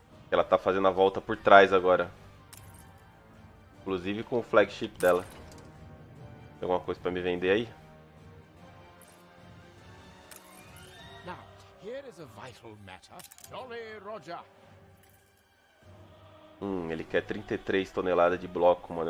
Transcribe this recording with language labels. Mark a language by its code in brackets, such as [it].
[pt] Ela tá fazendo a volta por trás agora. Inclusive com o flagship dela. Tem alguma coisa pra me vender aí? [en] Now, here is a vital matter. Jolly Roger. [pt] Ele quer 33 toneladas de bloco, mano.